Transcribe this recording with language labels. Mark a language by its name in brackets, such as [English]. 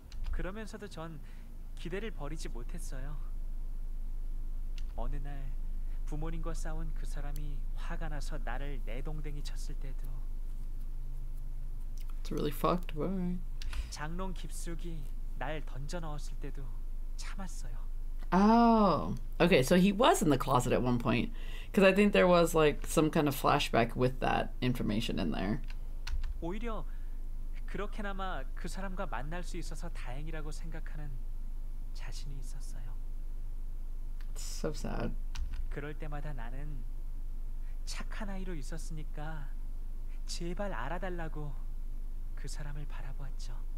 [Korean] 그러면서도 전 기대를 버리지 못했어요. 어느 날 부모님과 싸운 그 사람이 화가 나서 나를 내동댕이 쳤을 때도. [English] It's really fucked, boy. [Korean] 장롱 깊숙이 날 던져 넣었을 때도 참았어요. [English] Oh, okay. So he was in the closet at one point. Because I think there was, like, some kind of flashback with that information in there. [Korean] 오히려 그렇게나마 그 사람과 만날 수 있어서 다행이라고 생각하는 자신이 있었어요. [English] So sad. [Korean] 그럴 때마다 나는 착한 아이로 있었으니까 제발 알아달라고 그 사람을 바라보았죠.